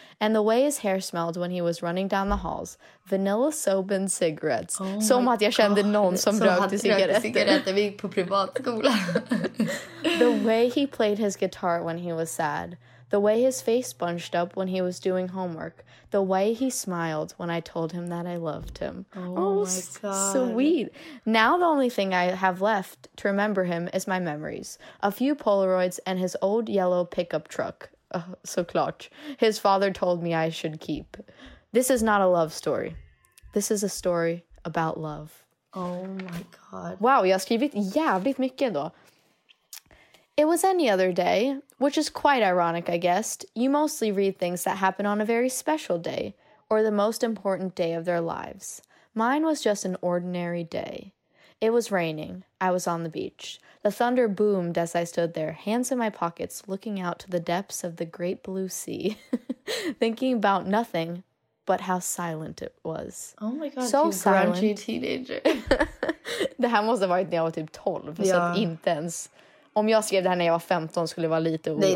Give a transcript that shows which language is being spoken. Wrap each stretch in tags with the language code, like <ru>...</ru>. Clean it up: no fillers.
<en>And the way his hair smelled when he was running down the halls. Vanilla soap and cigarettes. Oh,</en> <sv>som att jag kände någon som rökte cigaretter. Vi gick på privatskola.</sv> <en>The way he played his guitar when he was sad. The way his face bunched up when he was doing homework. The way he smiled when I told him that I loved him. Oh my god. Sweet. Now the only thing I have left to remember him is my memories. A few Polaroids and his old yellow pickup truck.</en> <sv>So klart.</sv> <en>His father told me I should keep. This is not a love story. This is a story about love. Oh my god.</en> <sv>Wow, jag skrivit jävligt mycket då.</sv> <en>It was any other day, which is quite ironic, I guessed. You mostly read things that happen on a very special day, or the most important day of their lives. Mine was just an ordinary day. It was raining. I was on the beach. The thunder boomed as I stood there, hands in my pockets, looking out to the depths of the great blue sea, thinking about nothing but how silent it was. Oh my god, so silent. Grungy teenager.</en> <sv>Det här måste ha varit när jag var typ 12, ja. Så att inte ens... Om jag skrev det här när jag var 15 skulle det vara lite orolig.</sv>